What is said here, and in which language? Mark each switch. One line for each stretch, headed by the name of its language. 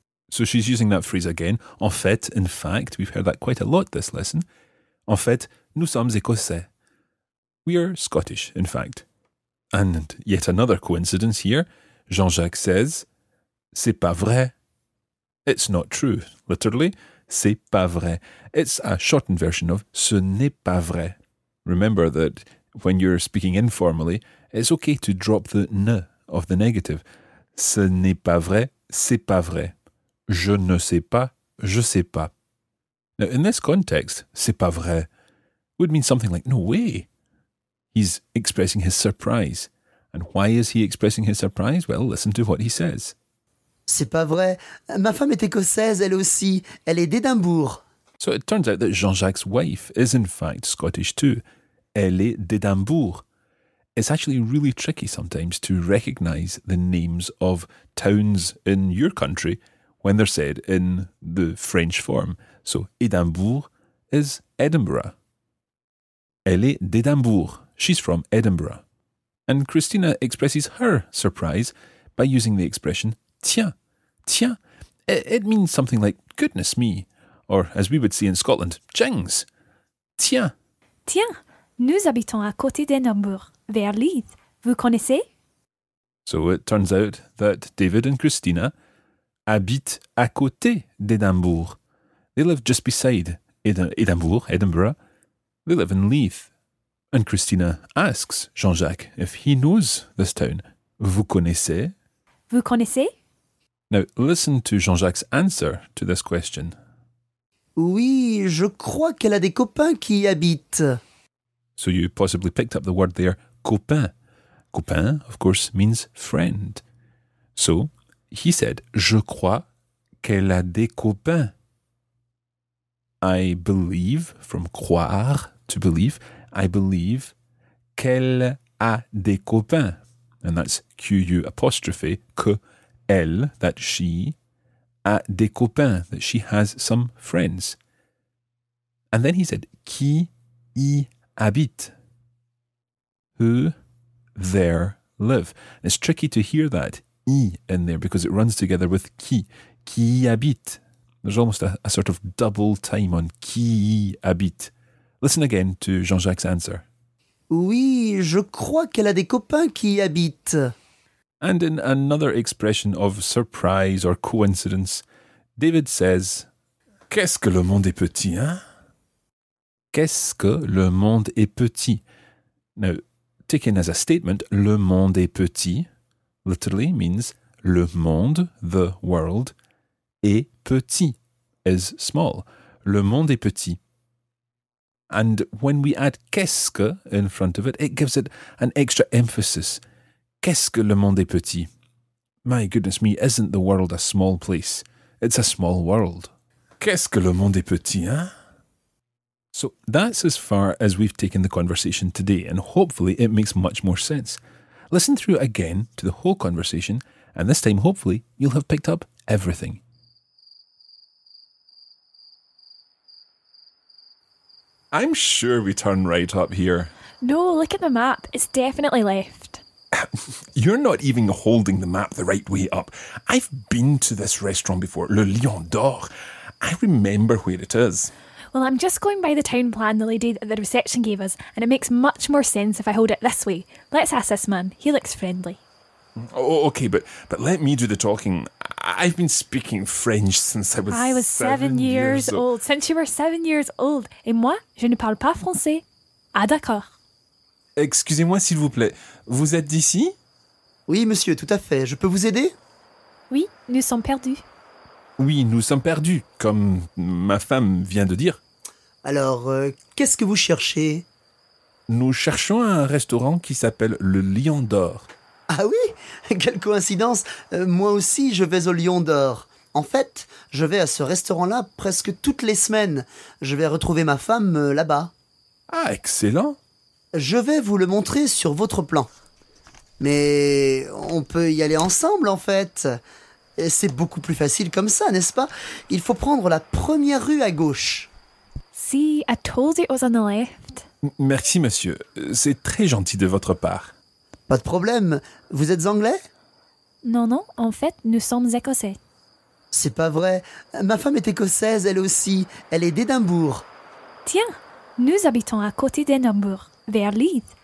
English: So she's using that phrase again.
French: En fait,
English: in fact, we've heard that quite a lot this lesson.
French: En fait, nous sommes écossais.
English: We are Scottish, in fact. And yet another coincidence here. Jean-Jacques says,
French: c'est pas vrai.
English: It's not true. Literally,
French: c'est pas vrai.
English: It's a shortened version of
French: ce n'est pas vrai.
English: Remember that when you're speaking informally, it's okay to drop the ne of the negative.
French: Ce n'est pas vrai, c'est pas vrai. Je ne sais pas, je sais pas.
English: Now, in this context,
French: c'est pas vrai
English: would mean something like, no way. He's expressing his surprise. And why is he expressing his surprise? Well, listen to what he says.
French: C'est pas vrai. Ma femme est écossaise, elle aussi. Elle est d'Édimbourg.
English: So it turns out that Jean-Jacques' wife is in fact Scottish too.
French: Elle est d'Édimbourg.
English: It's actually really tricky sometimes to recognise the names of towns in your country when they're said in the French form. So Édimbourg is Edinburgh.
French: Elle est d'Édimbourg.
English: She's from Edinburgh. And Christina expresses her surprise by using the expression tiens. Tiens. It means something like goodness me. Or as we would say in Scotland, jings.
French: Tiens. Tiens. Nous habitons à côté d'Édimbourg, vers Leith. Vous connaissez?
English: So it turns out that David and Christina
French: habitent à côté d'Édimbourg.
English: They live just beside Edinburgh. They live in Leith. And Christina asks Jean-Jacques if he knows this town.
French: Vous connaissez? Vous connaissez?
English: Now, listen to Jean-Jacques' answer to this question.
French: Oui, je crois qu'elle a des copains qui y habitent.
English: So you possibly picked up the word there, copain. Copain, of course, means friend. So, he said,
French: je crois qu'elle a des copains.
English: I believe, from croire, to believe, I believe
French: qu'elle a des copains.
English: And that's Q-U apostrophe,
French: que elle,
English: that she,
French: a des copains,
English: that she has some friends. And then he said,
French: qui y habite?
English: Who there live? And it's tricky to hear that y in there because it runs together with qui.
French: Qui y habite?
English: There's almost a sort of double time on
French: qui y habite.
English: Listen again to Jean-Jacques' answer.
French: Oui, je crois qu'elle a des copains qui y habitent.
English: And in another expression of surprise or coincidence, David says,
French: qu'est-ce que le monde est petit, hein? Qu'est-ce que le monde est petit?
English: Now, taken as a statement,
French: le monde est petit,
English: literally means
French: le monde,
English: the world,
French: est petit,
English: is small.
French: Le monde est petit.
English: And when we add
French: qu'est-ce que
English: in front of it, it gives it an extra emphasis.
French: Qu'est-ce que le monde est petit?
English: My goodness me, isn't the world a small place? It's a small world.
French: Qu'est-ce que le monde est petit, hein?
English: So that's as far as we've taken the conversation today, and hopefully it makes much more sense. Listen through again to the whole conversation, and this time hopefully you'll have picked up everything. I'm sure we turn right up here. No, look at the map. It's definitely left. You're not even holding the map the right way up. I've been to this restaurant before, Le Lion d'Or. I remember where it is. Well, I'm just going by the town plan the lady at the reception gave us, and it makes much more sense if I hold it this way. Let's ask this man. He looks friendly. Oh, okay, but let me do the talking. I've been speaking French since I was seven years old. Since you were 7 years old.
French: Et moi, je ne parle pas français. Ah, d'accord. Excusez-moi, s'il vous plaît. Vous êtes d'ici? Oui, monsieur, tout à fait. Je peux vous aider? Oui, nous sommes perdus. Oui, nous sommes perdus, comme ma femme vient de dire. Alors, qu'est-ce que vous cherchez? Nous cherchons un restaurant qui s'appelle le Lion d'Or. Ah oui? Quelle coïncidence! Moi aussi, je vais au Lion d'Or. En fait, je vais à ce restaurant-là presque toutes les semaines. Je vais retrouver ma femme là-bas. Ah, excellent! Je vais vous le montrer sur votre plan. Mais on peut y aller ensemble, en fait. Et c'est beaucoup plus facile comme ça, n'est-ce pas? Il faut prendre la première rue à gauche.
English: See, I told you it was on the left.
French: Merci, monsieur. C'est très gentil de votre part. Pas de problème. Vous êtes anglais? Non, non. En fait, nous sommes écossais. C'est pas vrai. Ma femme est écossaise, elle aussi. Elle est d'Édimbourg. Tiens, nous habitons à côté d'Édimbourg, vers Leeds.